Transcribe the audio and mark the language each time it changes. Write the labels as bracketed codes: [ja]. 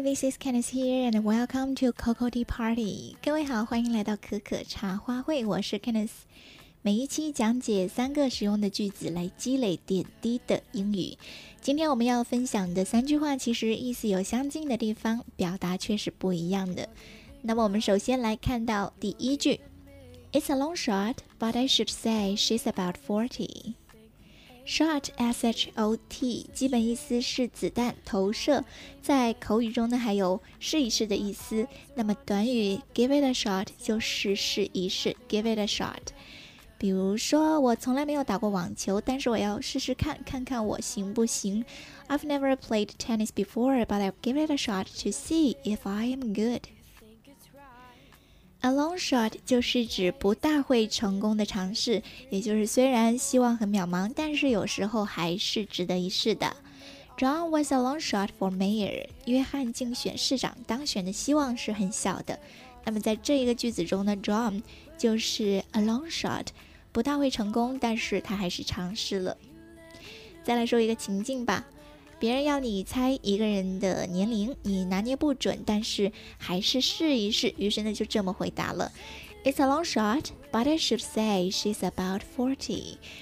[en] This is Candice here, and welcome to Coco Tea Party. [zh] 各位好，欢迎来到可可茶花会。我是 Candice。每一期讲解三个实用的句子来积累点滴的英语。今天我们要分享的三句话其实意思有相近的地方，表达却是不一样的。那么我们首先来看到第一句 ： [en] It's a long shot, but I should say she's about 40. [zh] Shot, S-H-O-T, 基本意思是子弹投射，在口语中呢还有试一试的意思。那么短语 [en] give it a shot [zh] 就是试一试 give it a shot。比如说我从来没有打过网球，但是我要试试看，看看我行不行。 [en] I've never played tennis before, but I'll give it a shot to see if I am good. [zh] A long shot 就是指不大会成功的尝试，也就是虽然希望很渺茫，但是有时候还是值得一试的。 [en] John was a long shot for mayor. [zh] 约翰竞选市长，当选的希望是很小的。那么在这一个句子中呢 ，John 就是 a long shot， 不大会成功，但是他还是尝试了。再来说一个情境吧，别人要你猜一个人的年龄，你拿捏不准，但是还是试一试，于是呢就这么回答了 [en] It's a long shot, but I should say she's about 40.